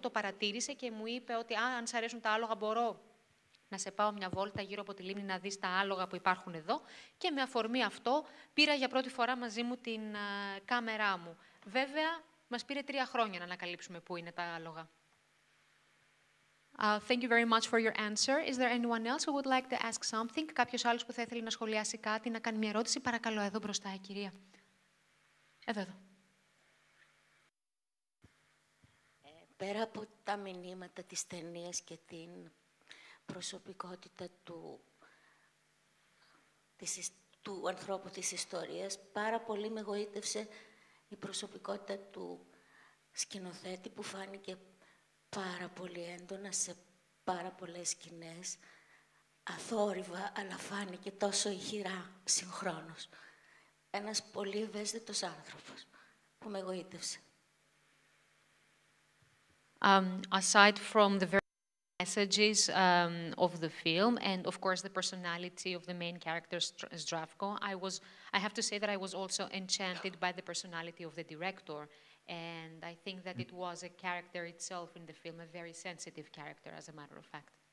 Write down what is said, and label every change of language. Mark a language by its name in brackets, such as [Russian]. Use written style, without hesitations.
[Greek] Το παρατήρησε και μου είπε ότι αν σ' αρέσουν τα άλογα, μπορώ να σε πάω μια βόλτα γύρω από τη λίμνη να δεις τα άλογα που υπάρχουν εδώ. Και με αφορμή αυτό, πήρα για πρώτη φορά μαζί μου την κάμερά μου. Βέβαια, μας πήρε 3 χρόνια να ανακαλύψουμε πού είναι τα άλογα. [English] Thank you very much for your answer. Is there anyone else who would like to ask something? [Greek] Κάποιος άλλος που θα ήθελε να σχολιάσει κάτι, να κάνει μια ερώτηση? Παρακαλώ, εδώ μπροστά, κυρία. Εδώ. Πέρα από τα μηνύματα της ταινίας και την προσωπικότητα του ανθρώπου της ιστορίας, πάρα πολύ με εγωίτευσε η προσωπικότητα του σκηνοθέτη, που φάνηκε πάρα πολύ έντονα σε πάρα πολλές σκηνές, αθόρυβα, αλλά φάνηκε τόσο ηχηρά συγχρόνως. Ένας πολύ ευαίσθητος άνθρωπος που με εγωίτευσε. [English] Aside from the very messages of the film and, of course, the personality of the main character, Zdravko, I have to say that I was also enchanted by the personality of the director. And I think that it was a character itself in the film, a very sensitive character, as a matter of fact.